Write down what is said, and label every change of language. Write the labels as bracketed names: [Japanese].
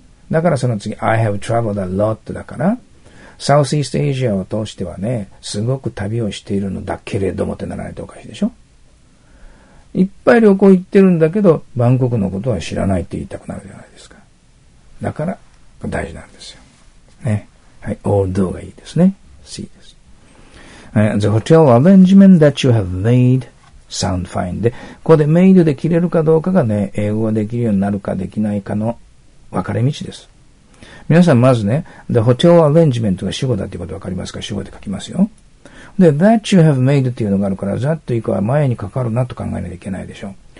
[Japanese] だからその次、 [English] I have traveled a lot、 [Japanese] だからサウスイーストアジアを通してはね、すごく旅をしているのだけれどもってならないとおかしいでしょ。いっぱい旅行行ってるんだけど、バンコクのことは知らないって言いたくなるじゃないですか。だから大事なんですよ。ね。はい。although がいいですね。C です。 [English] The hotel arrangement that you have made sound fine. [Japanese] で、ここで made で切れるかどうかがね、英語ができるようになるかできないかの分かれ道です。皆さんまずね、the hotel arrangement が主語だっていうこと分かりますか？主語で書きますよ。で、that you have made っていうのがあるから、that というか前にかかるなと考えなきゃいけないでしょう。